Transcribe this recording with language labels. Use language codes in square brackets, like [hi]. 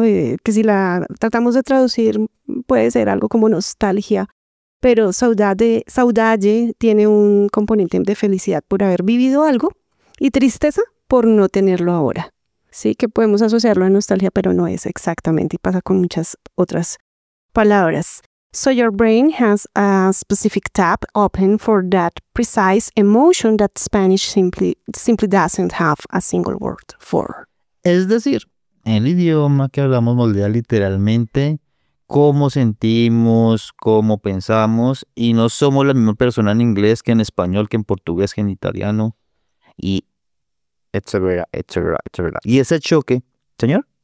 [es] Que si la tratamos de traducir puede ser algo como nostalgia. Pero saudade tiene un componente de felicidad por haber vivido algo y tristeza por no tenerlo ahora. Sí, que podemos asociarlo a nostalgia, pero no es exactamente y pasa con muchas otras palabras. [en] So your brain has a specific tap open for that precise emotion that Spanish simply doesn't have a single word for. [es] Es decir, el idioma que hablamos moldea literalmente cómo sentimos, cómo pensamos, y no somos la misma persona en inglés que en español, que en portugués, que en italiano, y etcétera, etcétera, etcétera. Y ese choque, ¿señor?